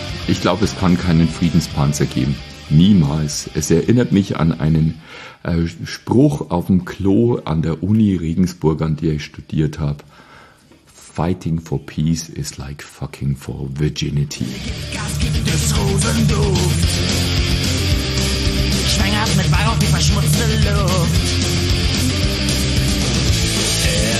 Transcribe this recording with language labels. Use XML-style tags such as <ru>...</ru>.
<de>Ich glaube, es kann keinen Friedenspanzer geben. Niemals. Es erinnert mich an einen Spruch auf dem Klo an der Uni Regensburg, an der ich studiert habe.</de> <en>Fighting for peace is like fucking for virginity.</en> <de>Gas gibt es Rosenduft. Schwängert mit Weihrauch die verschmutzte Luft.</de>